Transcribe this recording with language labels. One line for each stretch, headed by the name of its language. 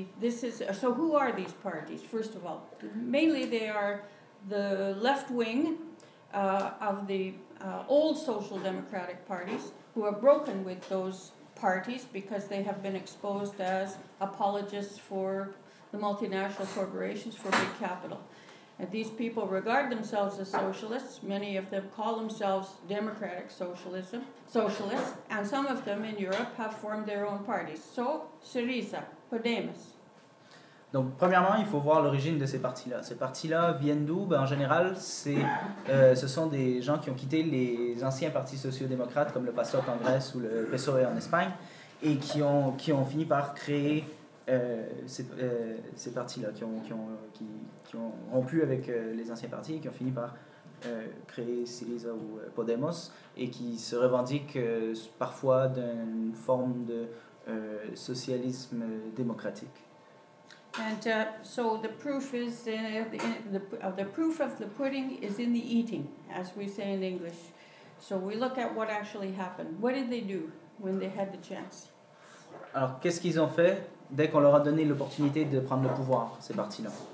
English: So who are these parties? First of all, mainly they are the left wing of the old social democratic parties who have broken with those parties because they have been exposed as apologists for the multinational corporations, for big capital. And these people regard themselves as socialists. Many of them call themselves democratic socialists, and some of them in Europe have formed their own parties. So, Syriza, Podemos.
French: Donc, premièrement, il faut voir l'origine de ces partis-là. Ces partis-là viennent d'où? Ben, en général, ce sont des gens qui ont quitté les anciens partis sociaux-démocrates, comme le PASOK en Grèce ou le PSOE en Espagne, et qui ont fini par créer ces partis-là, qui ont rompu avec les anciens partis, qui ont fini par créer Syriza ou Podemos, et qui se revendiquent parfois d'une forme de socialisme démocratique.
English: And so the proof is the proof of the pudding is in the eating, as we say in English. So we look at what actually happened. What did they do when they had the chance?
French: Alors qu'est-ce qu'ils ont fait dès qu'on leur a donné l'opportunité de prendre le pouvoir, ces partis-là?